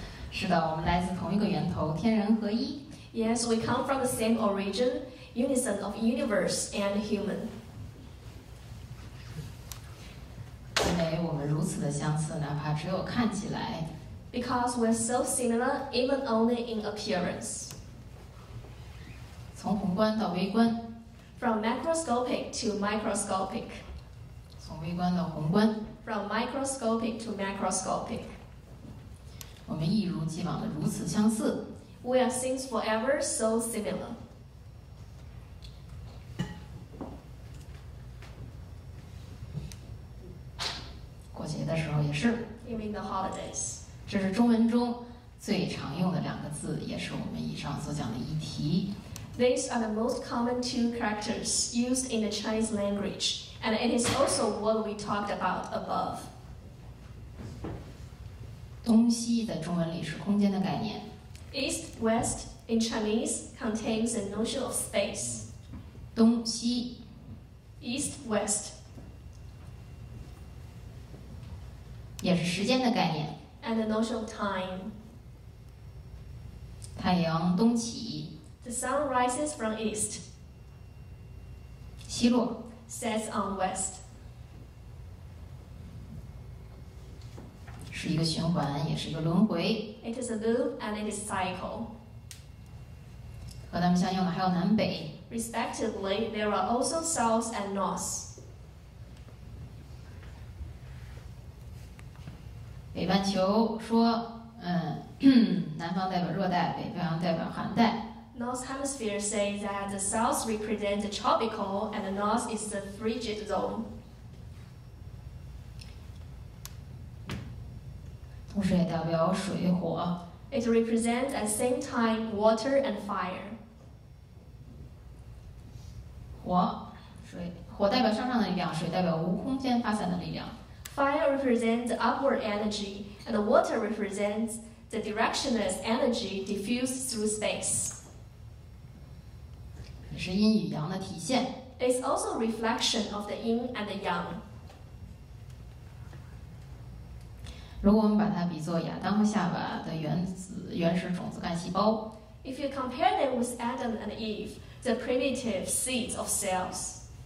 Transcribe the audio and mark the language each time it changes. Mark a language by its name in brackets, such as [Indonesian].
[Chinese] 是的，我们来自同一个源头，天人合一。 [English] Yes, we come from the same origin, unison of universe and human. [Chinese] 因为我们如此的相似，哪怕只有看起来。 [English] Because we're so similar, even only in appearance. [Chinese] 从宏观到微观。 [English] From macroscopic to microscopic. [Chinese] 从微观到宏观。 [English] From microscopic to macroscopic. [Chinese] 我们一如既往的如此相似。 [English] We are since forever so similar. [Chinese] 过节的时候也是。 [English] Even the holidays. [Chinese] 这是中文中最常用的两个字，也是我们以上所讲的议题。 [English] These are the most common two characters used in the Chinese language, and it is also what we talked about above. [Chinese] 东西在中文里是空间的概念。 [English] East, West in Chinese contains the notion of space. [Chinese] 东西。 [English] East, West. [Chinese] 也是时间的概念。 [English] And the notion of time. [Chinese] 太阳东起。 [English] The sun rises from east. [Chinese] 西落。 [English] Sets on west. [Chinese] 是一个循环，也是一个轮回。 [English] It is a loop and it is cycle. [Chinese] 和它们相应的还有南北。 [English] Respectively, there are also south and north. [Chinese] 北半球说，南方代表热带，北方代表寒带。 [English] North hemisphere say that the south represents the tropical and the north is the frigid zone. [Chinese] 同时也代表水火。 [English] It represents at the same time water and fire. [Chinese] 火，水，火代表向上的力量，水代表无空间发散的力量。 [English] Fire represents the upward energy, and the water represents the directionless energy diffused through space. [Chinese] 也是阴与阳的体现。 [English] It's also a reflection of the yin and the yang. [Chinese] 如果我们把它比作亚当和夏娃的原始种子干细胞。 [English] If you compare them with Adam and Eve, the primitive seeds of cells.